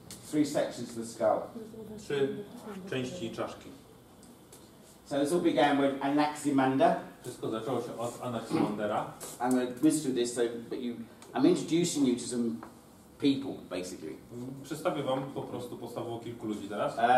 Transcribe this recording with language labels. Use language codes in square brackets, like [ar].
[en] Three sections of the skull. [pl] Trzy części czaszki. [en] So this all began with Anaximander. [pl] Wszystko zaczęło się od Anaximandera. [en] I'm going to whiz through this, I'm introducing you to some people, basically. [pl] Przedstawię wam po prostu podstawowo kilku ludzi teraz.